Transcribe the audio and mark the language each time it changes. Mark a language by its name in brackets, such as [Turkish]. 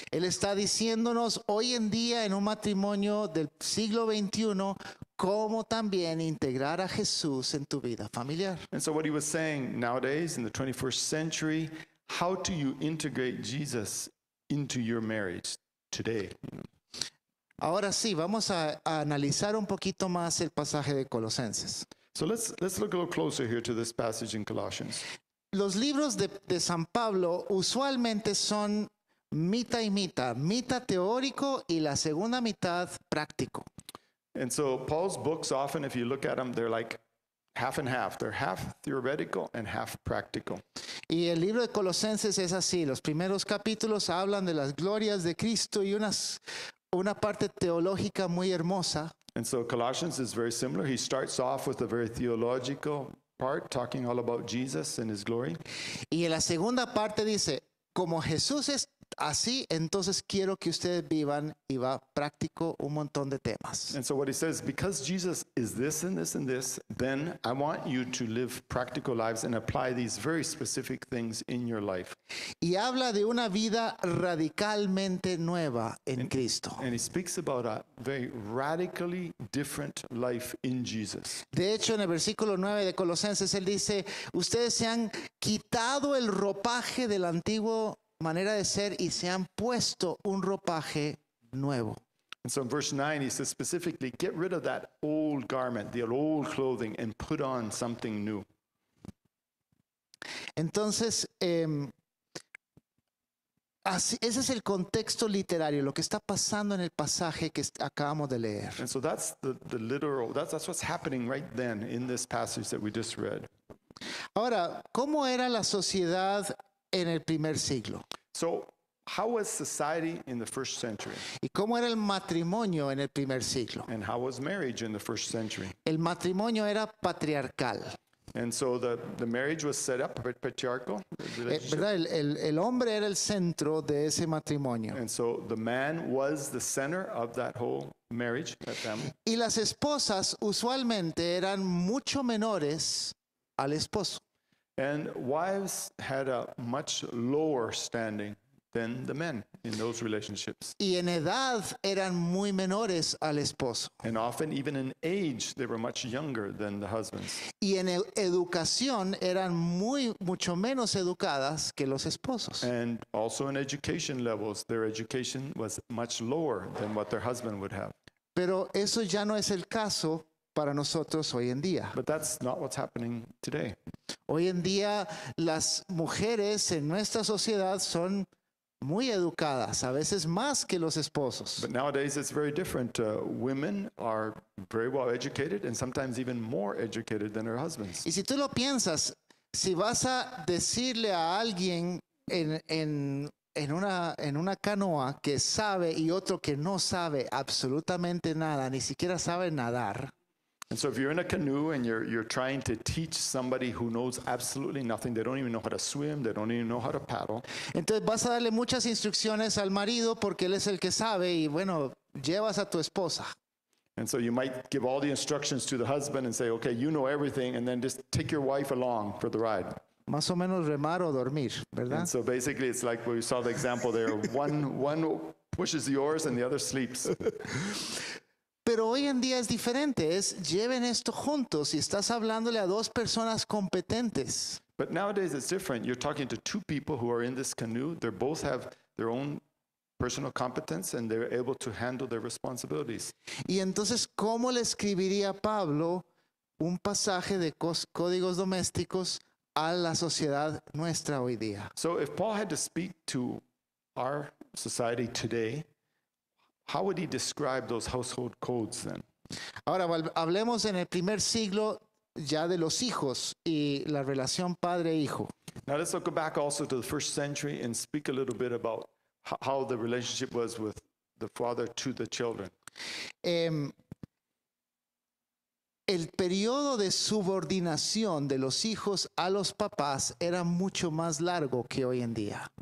[Spanish] Él está diciéndonos hoy en día en un matrimonio del siglo XXI, cómo también integrar a Jesús en tu vida familiar. [English] And so what he was saying nowadays in the 21st century, how do you integrate Jesus into your marriage today? [Spanish] Ahora sí, vamos a analizar un poquito más el pasaje de Colosenses. [English] So let's look a little closer here to this passage in Colossians. [Spanish] Los libros de San Pablo usualmente son mitad y mitad teórico y la segunda mitad práctico. [English] And so Paul's books often, if you look at them, they're like half and half. They're half theoretical and half practical. [Spanish] Y el libro de Colosenses es así. Los primeros capítulos hablan de las glorias de Cristo y una parte teológica muy hermosa. [English] And so Colossians is very similar. He starts off with a very theological part, talking all about Jesus and his glory. [Spanish] Y en la segunda parte dice, como Jesús es así, entonces quiero que ustedes vivan, y va práctico un montón de temas. [English] And so what he says, because Jesus is this and this and this, then I want you to live practical lives and apply these very specific things in your life. [Spanish] Y habla de una vida radicalmente nueva en Cristo. [English] And he speaks about a very radically different life in Jesus. [Spanish] De hecho, en el versículo 9 de Colosenses, él dice, ustedes se han quitado el ropaje del antiguo manera de ser y se han puesto un ropaje nuevo. [English] And so in verse 9 he says specifically, get rid of that old garment, the old clothing, and put on something new. [Spanish] Entonces, así, ese es el contexto literario, lo que está pasando en el pasaje que acabamos de leer. [English] And so that's the literal, that's what's happening right then in this passage that we just read. [Spanish] Ahora, ¿cómo era la sociedad en el primer siglo? [English] So, How was society in the first century? [Spanish] ¿Y cómo era el matrimonio en el primer siglo? [English] And how was marriage in the first century? [Spanish] El matrimonio era patriarcal. [English] And so the marriage was set up patriarchal. [Spanish] ¿Verdad? El hombre era el centro de ese matrimonio. [English] And so the man was the center of that whole marriage, that family. [Spanish] Y las esposas usualmente eran mucho menores al esposo. [English] And wives had a much lower standing than the men in those relationships. [Spanish] Y en edad eran muy menores al esposo. [English] And often even in age they were much younger than the husbands. [Spanish] Y en educación eran mucho menos educadas que los esposos. [English] And also in education levels, their education was much lower than what their husband would have. [Spanish] Pero eso ya no es el caso para nosotros hoy en día. [English] But that's not what's happening today. [Spanish] Hoy en día las mujeres en nuestra sociedad son muy educadas, a veces más que los esposos. [English] But nowadays it's very different. Women are very well educated and sometimes even more educated than their husbands. [Spanish] Y si tú lo piensas, si vas a decirle a alguien en una canoa que sabe y otro que no sabe absolutamente nada, ni siquiera sabe nadar. [English] And so if you're in a canoe and you're trying to teach somebody who knows absolutely nothing, they don't even know how to swim, they don't even know how to paddle. [Spanish] Entonces vas a darle muchas instrucciones al marido porque él es el que sabe y bueno, llevas a tu esposa. [English] And so you might give all the instructions to the husband and say, okay, you know everything, and then just take your wife along for the ride. [Spanish] Más o menos remar o dormir, ¿verdad? [English] And so basically it's like we saw the example there. One pushes the oars and the other sleeps. [Spanish] Pero hoy en día es diferente, es lleven esto juntos y estás hablándole a dos personas competentes. [English] But nowadays it's different. You're talking to two people who are in this canoe. They both have their own personal competence and they're able to handle their responsibilities. [Spanish] Y entonces, ¿cómo le escribiría Pablo un pasaje de códigos domésticos a la sociedad nuestra hoy día? [English] So if Paul had to speak to our society today, how would he describe those household codes then? [Spanish] Ahora hablemos en el primer siglo ya de los hijos y la relación padre-hijo. [English] Now let's look back also to the first century and speak a little bit about how the relationship was with the father to the children. [Spanish] El periodo de subordinación de los hijos a los papás era mucho más largo que hoy en día.